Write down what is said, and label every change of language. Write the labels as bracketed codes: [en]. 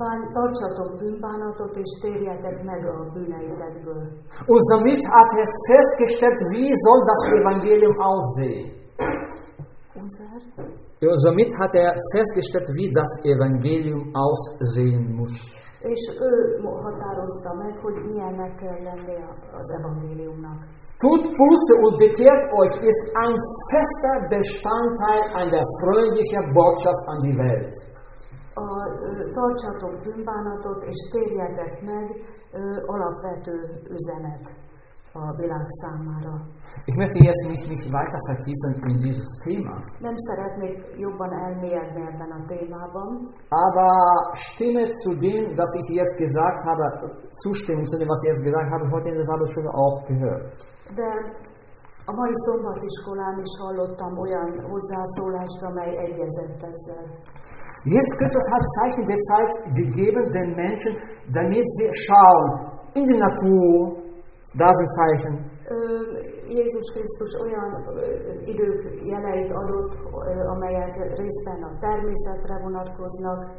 [hu] Tartsatok bűnbánatot és térjetek meg a bűneitekből. [de] Und somit hat er festgestellt, wie soll das Evangelium aussehen? Unser? Und somit hat er festgestellt, wie das Evangelium aussehen muss. [hu] És ő határozta meg, hogy milyennek kell lenni az evangéliumnak. [de] Tut Buße und bekehrt euch ist ein fester Bestandteil an der freundlichen Botschaft an die Welt. [hu] Tartsatok bűnbánatot és térjetek meg alapvető üzenet a világ számára. [de] Ich möchte jetzt nicht weiter vertiefen in dieses Thema. [hu] Nem szeretnék jobban elmélyedni ebben a témában. [de] Aber stimme zu dem, was ich jetzt gesagt habe, zustimmen zu dem, was ich jetzt gesagt habe, heute in der Sabbatschule auch gehört. [hu] De a mai szombatiskolán is hallottam olyan hozzászólást, amely egyezett ezzel. [de] Jetzt Christus hat Zeichen der Zeit gegeben den Menschen, damit sie schauen in die Natur, da sind Zeichen. [hu] Jézus Krisztus olyan idők jeleit adott, amelyek részben a természetre vonatkoznak.